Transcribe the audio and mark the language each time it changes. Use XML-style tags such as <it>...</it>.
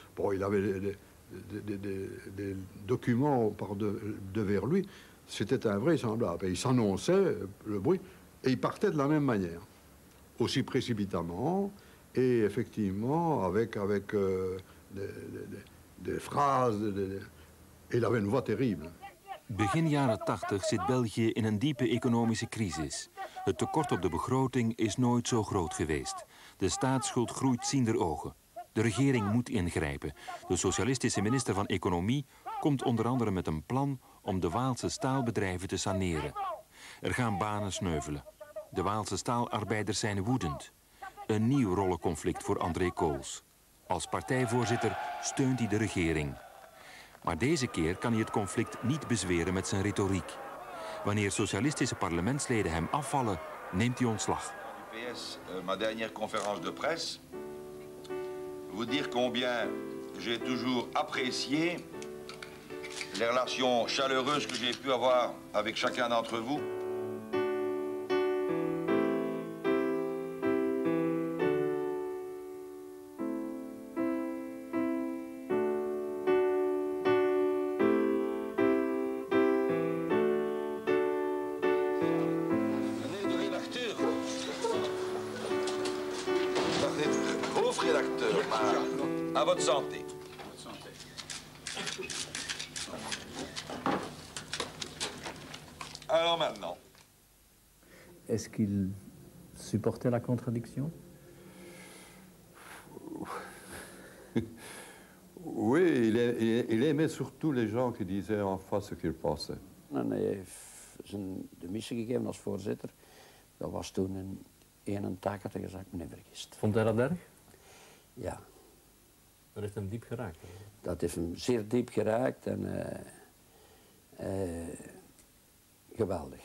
<fr>Bon, il avait des documents devers lui, c'était invraisemblable. Et il s'annonçait, le bruit, et il partait de la même manière, aussi précipitamment, et effectivement, avec des phrases, il avait une voix terrible.</fr> <nl>Begin jaren 80 zit België in een diepe economische crisis. Het tekort op de begroting is nooit zo groot geweest. De staatsschuld groeit ziender ogen. De regering moet ingrijpen. De socialistische minister van Economie komt onder andere met een plan om de Waalse staalbedrijven te saneren. Er gaan banen sneuvelen. De Waalse staalarbeiders zijn woedend. Een nieuw rollenconflict voor André Kools. Als partijvoorzitter steunt hij de regering. Maar deze keer kan hij het conflict niet bezweren met zijn retoriek. Wanneer socialistische parlementsleden hem afvallen, neemt hij ontslag.</nl> <fr>UPS, ma dernière conférence de presse. Vous dire combien j'ai toujours apprécié les relations chaleureuses que j'ai pu avoir avec chacun d'entre vous. Alors maintenant. Est-ce qu'il supportait la contradiction? Oui, il aimait surtout les gens qui disaient en face ce qu'ils pensaient.</fr> <nl>Non, hij heeft zijn de missie gegeven als voorzitter. Dat was toen een 81 gezegd, meneer Vergist. Vond hij dat erg? Ja. Dat heeft hem diep geraakt. Hè? Dat heeft hem zeer diep geraakt en geweldig.</nl>